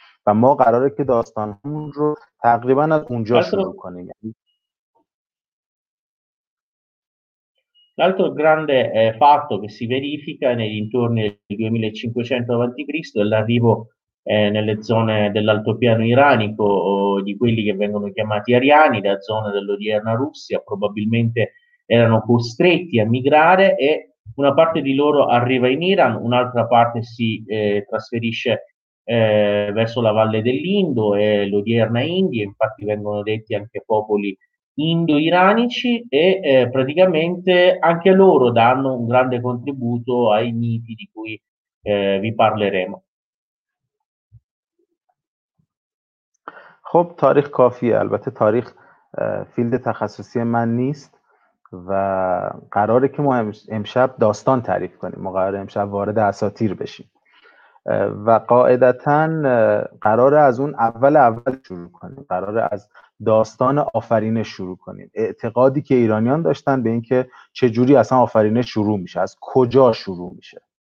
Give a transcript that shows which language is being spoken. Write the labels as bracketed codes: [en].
[fa] و ما قراره که داستانمون رو تقریبا از اونجا شروع کنیم. [it] L'altro grande fatto che si verifica negli intorni del 2500 a.C. è l'arrivo nelle zone dell'altopiano iranico di quelli che vengono chiamati ariani, da zone dell'odierna Russia. Probabilmente erano costretti a migrare e una parte di loro arriva in Iran, un'altra parte si trasferisce verso la valle dell'Indo e l'odierna India, infatti vengono detti anche popoli indo-iranici, e praticamente anche loro danno un grande contributo ai miti di cui vi parleremo. [fa] خب تاریخ کافیه، البته تاریخ فیلد تخصصی من نیست و قراره که ما امشب داستان تعریف کنیم، ما قراره امشب وارد اساطیر بشیم و قاعدتاً قراره از اون اول شروع کنیم، قراره از داستان آفرینش شروع کنیم، اعتقادی که ایرانیان داشتن به اینکه چه جوری اصلا آفرینش شروع میشه، از کجا شروع میشه.